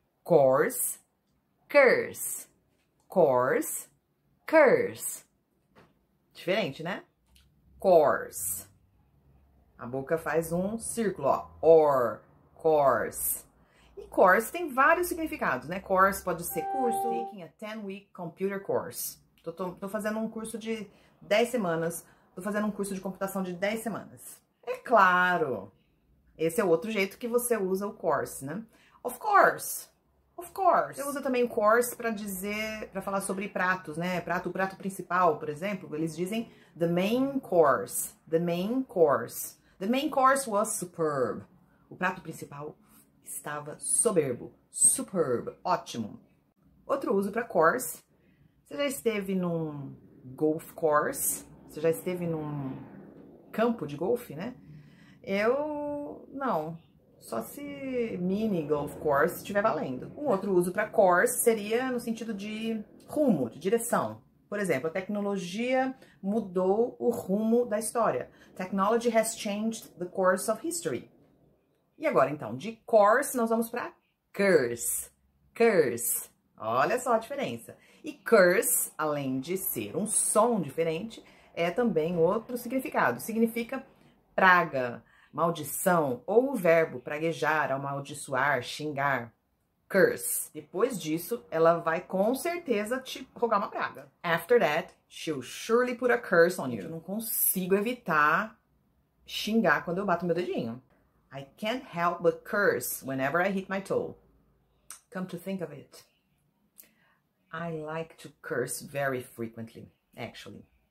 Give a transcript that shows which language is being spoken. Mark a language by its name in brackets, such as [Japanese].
[English] Course, curse. Course, curse. [Portuguese] Diferente, né? [English] Course. [Portuguese] A boca faz um círculo, ó. Or, course. E course tem vários significados, né? Course pode ser curso. [English] Taking a 10-week computer course. [Portuguese] Tô fazendo um curso de 10 semanas. Tô fazendo um curso de computação de 10 semanas. É claro. Esse é o outro jeito que você usa o course, né? [English] Of course. Of course. [Portuguese] Você usa também o course para dizer, para falar sobre pratos, né? Prato, prato principal, por exemplo. Eles dizem [English] the main course. The main course. The main course was superb. [Portuguese] O prato principal estava soberbo. Superb. Ótimo. Outro uso para course. Você já esteve num golf course? Você já esteve num campo de golfe, né? Eu não. Só se mini golf course estiver valendo. Um outro uso para course seria no sentido de rumo, de direção. Por exemplo, a tecnologia mudou o rumo da história. [English] Technology has changed the course of history. [Portuguese] E agora, então, de course, nós vamos para curse. Curse. Olha só a diferença. E curse, além de ser um som diferente, é também outro significado. Significa praga, maldição, ou o verbo praguejar, amaldiçoar, xingar. Curse. Depois disso, ela vai com certeza te rogar uma praga. [English] After that, she'll surely put a curse on you. [Portuguese] Eu não consigo evitar xingar quando eu bato meu dedinho. [English] I can't help but curse whenever I hit my toe. Come to think of it, I like to curse very frequently, actually.